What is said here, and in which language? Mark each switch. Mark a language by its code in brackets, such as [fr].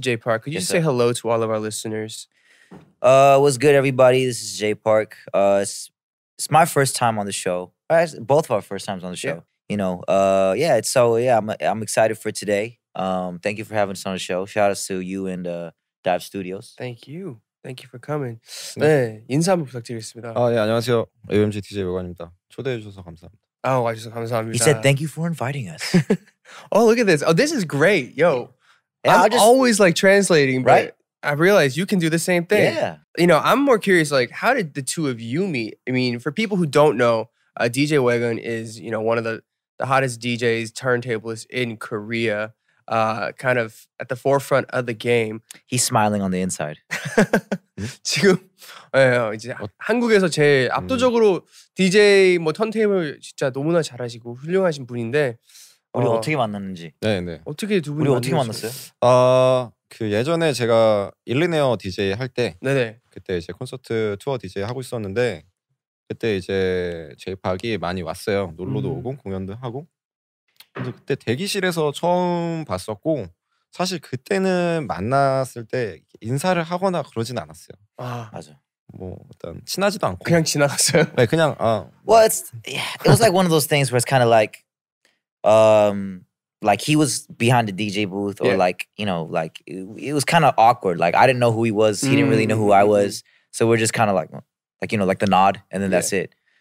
[en] Jay Park, could you just say hello to all of our listeners? What's good, everybody? This is Jay Park. It's my first time on the show. Both of our first times on the show. Yeah. You know, I'm excited for today. Thank you for having us on the show. Shout out to you and Dive Studios. Thank you. Thank you for coming. [ko] 네, 인사 한번 부탁드리겠습니다. 아, 네, 안녕하세요. AOMG DJ 외관입니다. 초대해 주셔서 감사합니다. 아, 와주셔서 감사합니다. [en] He said, thank you for inviting us. Oh, look at this. Oh, this is great. Yo, yeah, I'm just, always like translating, but right? I realized you can do the same thing. Yeah. You know, I'm more curious, like, how did the two of you meet? I mean, for people who don't know, DJ Wegun is, you know, one of the hottest DJs, turntablists in Korea. Kind of at the forefront of the game. He's smiling on the inside. [ko] 지금 이제 한국에서 제일 압도적으로 DJ 뭐 턴테이블 진짜 너무나 잘하시고 훌륭하신 분인데 우리 어떻게 만났는지. 네네. 어떻게 두 분이 우리 어떻게 만났어요? 그 예전에 제가 일리네어 DJ 할 때 네네. 그때 이제 콘서트 투어 DJ 하고 있었는데 그때 이제 제이팍이 많이 왔어요. 놀러도 오고 공연도 하고. 근데 그때 대기실에서 처음 봤었고 사실 그때는 만났을 때 인사를 하거나 그러진 않았어요. 아 맞아. 뭐 일단 친하지도 않고. 그냥 지나갔어요? 네 그냥 아. [en] Well it's, yeah, it was like one of those things where it's kind of like like he was behind the DJ booth or yeah. like you know like it was kind of awkward. Like I didn't know who he was. He didn't really know who I was. So we're just kind of like… Like, you know, like the nod. And then that's it.